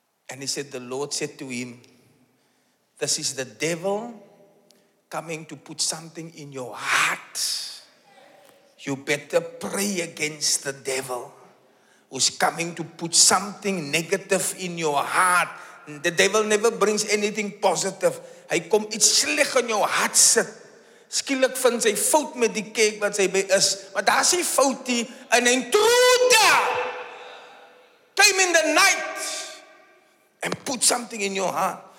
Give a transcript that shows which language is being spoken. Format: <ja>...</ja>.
<en>And he said, the Lord said to him, this is the devil coming to put something in your heart. You better pray against the devil who's coming to put something negative in your heart. The devil never brings anything positive.</en> <af>Hy kom iets sleg in jou hart sit. Skielik vind sy fout met die kerk wat sy by is. Maar daar is sy foutie,</af> <en>an intruder came in the night and put something in your heart.</en>